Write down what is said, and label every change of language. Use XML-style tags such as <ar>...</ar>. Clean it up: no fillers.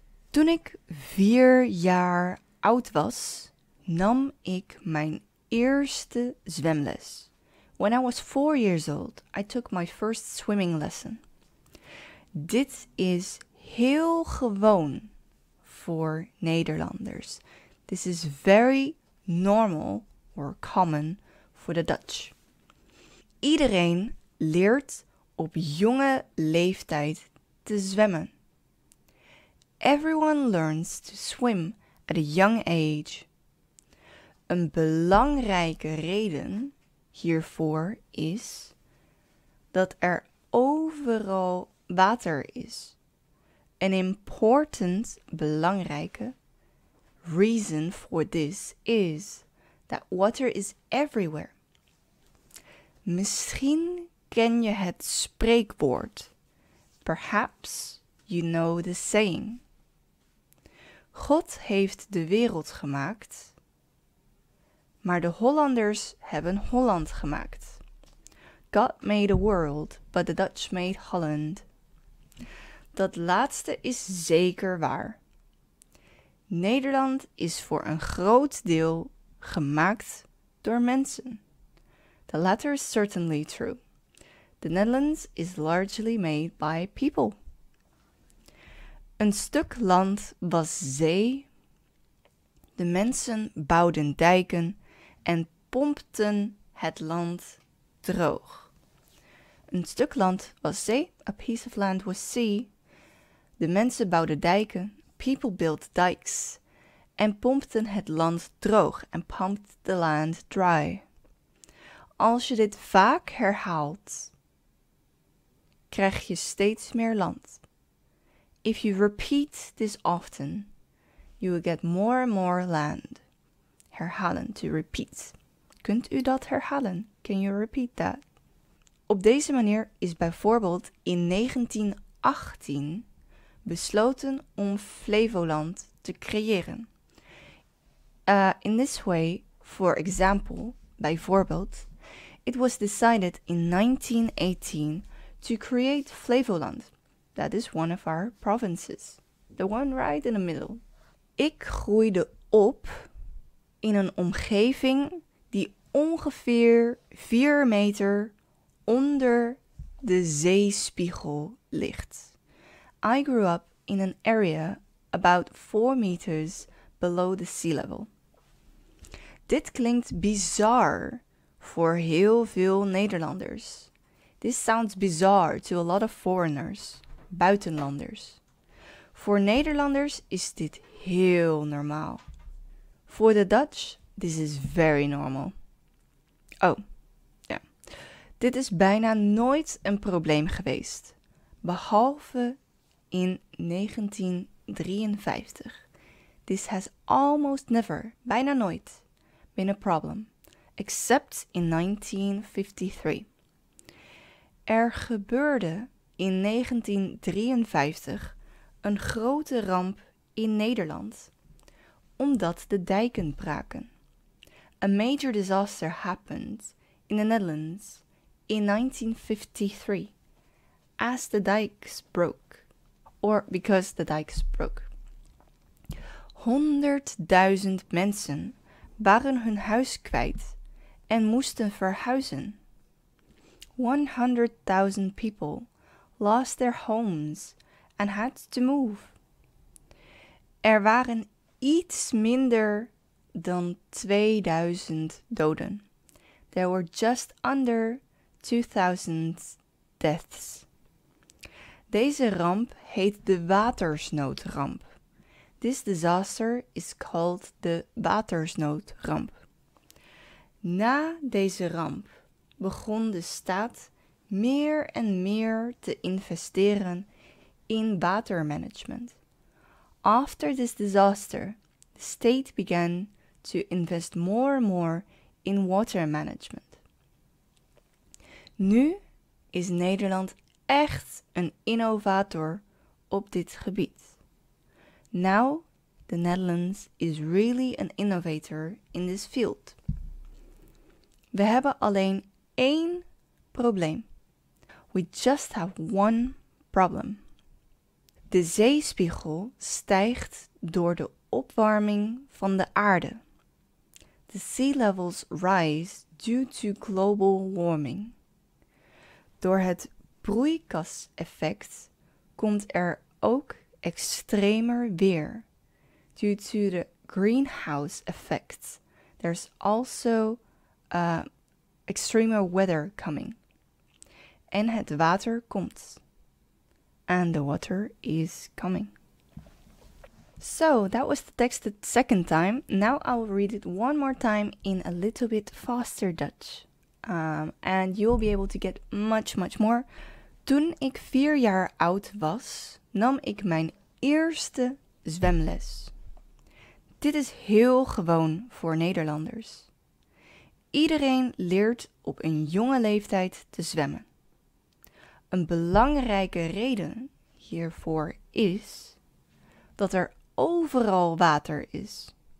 <nl>Toen ik 4 jaar oud was, nam ik mijn eerste zwemles.</nl> <en>When I was 4 years old, I took my first swimming lesson.</en> <nl>Dit is heel gewoon voor Nederlanders.</nl> <en>This is very normal or common for the Dutch.</en> <nl>Iedereen leert op jonge leeftijd te zwemmen.</nl> <en>Everyone learns to swim at a young age.</en> <nl>Een belangrijke reden hiervoor is dat er overal water is.</nl> <en>An important,</en> <nl>belangrijke</nl> <en>reason for this is that water is everywhere.</en> <nl>Misschien ken je het spreekwoord.</nl> <en>Perhaps you know the saying.</en> <nl>God heeft de wereld gemaakt, maar de Hollanders hebben Holland gemaakt.</nl> <en>God made a world, but the Dutch made Holland.</en> <nl>Dat laatste is zeker waar. Nederland is voor een groot deel gemaakt door mensen.</nl> <en>The latter is certainly true. The Netherlands is largely made by people.</en> <nl>Een stuk land was zee. De mensen bouwden dijken en pompten het land droog. Een stuk land was zee.</nl> <en>A piece of land was sea.</en> <nl>De mensen bouwden dijken.</nl> <en>People built dikes.</en> <nl>En pompten het land droog.</nl> <en>And pumped the land dry.</en> <nl>Als je dit vaak herhaalt, krijg je steeds meer land.</nl> <en>If you repeat this often, you will get more and more land.</en> <nl>herhalen,</nl> <en>to repeat.</en> <nl>Kunt u dat herhalen?</nl> <en>Can you repeat that?</en> <nl>Op deze manier is bijvoorbeeld in 1918 besloten om Flevoland te creëren.</nl> <en>In this way, for example,</en> <nl>bijvoorbeeld,</nl> <en>it was decided in 1918 to create Flevoland. That is one of our provinces. The one right in the middle.</en> <nl>Ik groeide op in een omgeving die ongeveer 4 meter onder de zeespiegel ligt.</nl> <en>I grew up in an area about 4 meters below the sea level.</en> <nl>Dit klinkt bizar voor heel veel Nederlanders.</nl> <en>This sounds bizarre to a lot of foreigners,</en> <nl>buitenlanders. Voor Nederlanders is dit heel normaal.</nl> <en>For the Dutch, this is very normal.</en> <nl>Oh, ja.</nl> <en>Yeah.</en> <nl>Dit is bijna nooit een probleem geweest. Behalve in 1953.</nl> <en>This has almost never,</en> <nl>bijna nooit,</nl> <en>been a problem. Except in 1953.</en> <nl>Er gebeurde in 1953 een grote ramp in Nederland, omdat de dijken braken.</nl> <en>A major disaster happened in the Netherlands in 1953, as the dikes broke, or because the dikes broke.</en> <nl>100.000 mensen waren hun huis kwijt en moesten verhuizen.</nl> <en>100.000 people lost their homes and had to move.</en> <nl>Er waren iets minder dan 2000 doden.</nl> <en>There were just under 2000 deaths.</en> <nl>Deze ramp heet de watersnoodramp.</nl> <en>This disaster is called the watersnoodramp.</en> <nl>Na deze ramp begon de staat meer en meer te investeren in watermanagement.</nl> <en>After this disaster, the state began to invest more and more in water management.</en> <nl>Nu is Nederland echt een innovator op dit gebied.</nl> <en>Now, the Netherlands is really an innovator in this field.</en> <nl>We hebben alleen één probleem.</nl> <en>We just have one problem.</en> <nl>De zeespiegel stijgt door de opwarming van de aarde.</nl> <en>The sea levels rise due to global warming.</en> <nl>Door het broeikaseffect komt er ook extremer weer.</nl> <en>Due to the greenhouse effect, there's also extremer weather coming.</en> <nl>En het water komt.</nl> <en>And the water is coming. So, that was the text the second time. Now I'll read it one more time in a little bit faster Dutch. And you'll be able to get much, much more.</en> <nl>Toen ik 4 jaar oud was, nam ik mijn eerste zwemles. Dit is heel gewoon voor Nederlanders. Iedereen leert op een jonge leeftijd te zwemmen. Een belangrijke reden hiervoor is dat er overal water is.</nl>